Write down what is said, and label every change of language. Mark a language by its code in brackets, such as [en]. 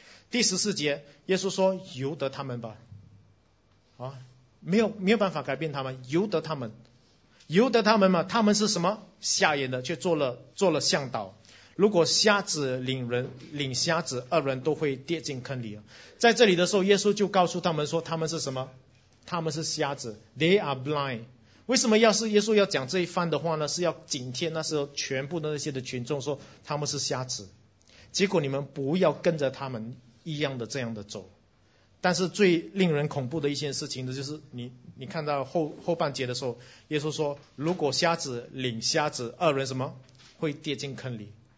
[zh] 第十四节，耶稣说：“由得他们吧，啊，没有办法改变他们，由得他们，由得他们嘛，他们是什么？瞎眼的，却做了向导。如果瞎子领瞎子，二人都会跌进坑里。” 在这里的时候，耶稣就告诉他们说：“他们是什么？他们是瞎子 ， [en] They are blind。” [zh] 为什么耶稣要讲这一番的话呢？是要警惕那时候全部的那些的群众说他们是瞎子。结果你们不要跟着他们一样的这样的走。但是最令人恐怖的一件事情的就是你看到后半节的时候，耶稣说如果瞎子领瞎子，二人什么会跌进坑里。